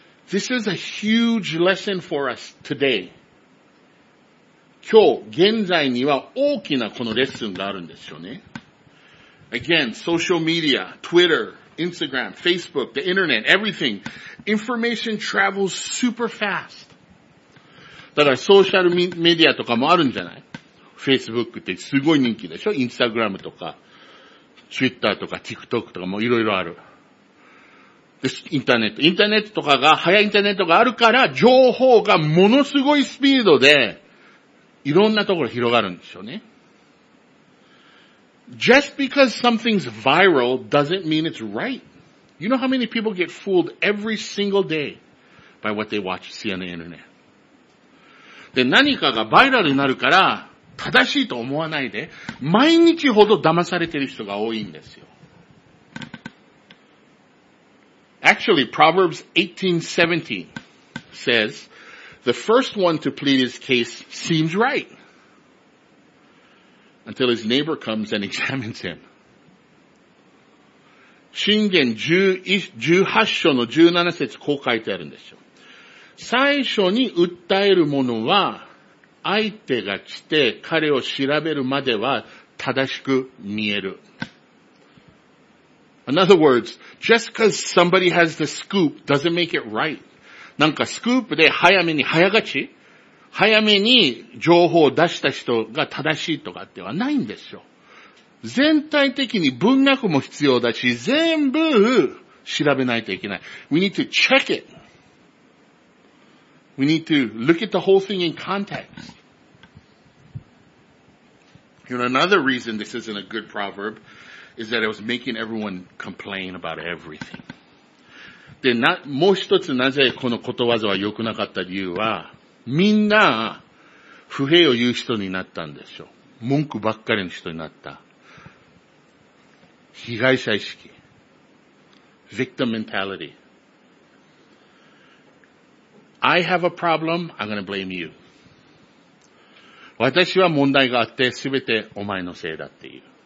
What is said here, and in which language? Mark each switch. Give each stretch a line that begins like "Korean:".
English: This is a huge lesson for us today.
Japanese: 今日、現在には大きなこのレッスンがあるんですよね。
English: Again, social media, Twitter, Instagram, Facebook, the internet, everything. Information travels super fast.
Japanese: だからソーシャルメディアとかもあるんじゃない? Facebook ってすごい人気でしょ?Instagram とか、Twitter とか、TikTok とかもいろいろある。インターネットとかが、早いインターネットがあるから、情報がものすごいスピードで、いろんなところ広がるんですよね。
English: Just because something's viral doesn't mean it's right. You know how many people get fooled every single day by what they watch, see on the internet.
Japanese: で、何かがバイラルになるから、正しいと思わないで、毎日ほど騙されてる人が多いんですよ。
English: Actually, Proverbs 18:17 says, the first one to plead his case seems right, until his neighbor comes and examines him.
Japanese: 箴言18章の17節こう書いてあるんですよ。最初に訴える者は、相手が来て彼を調べるまでは正しく見える。
English: In other words, just because somebody has the scoop doesn't make it right.
Japanese: なんかスクープで早めに早勝ち、早めに情報を出した人が正しいとかってはないんですよ。全体的に文脈も必要だし、全部調べないといけない。
English: We need to check it. We need to look at the whole thing in context. You know, another reason this isn't a good proverb. Is that it was making everyone complain about everything.
Japanese: で、もう一つなぜこのことわざは良くなかった理由は、みんな不平を言う人になったんでしょう。文句ばっかりの人になった。被害者意識。
English: Victim mentality. I have a problem, I'm gonna blame you.
Japanese: 私は問題があって、すべてお前のせいだっていう。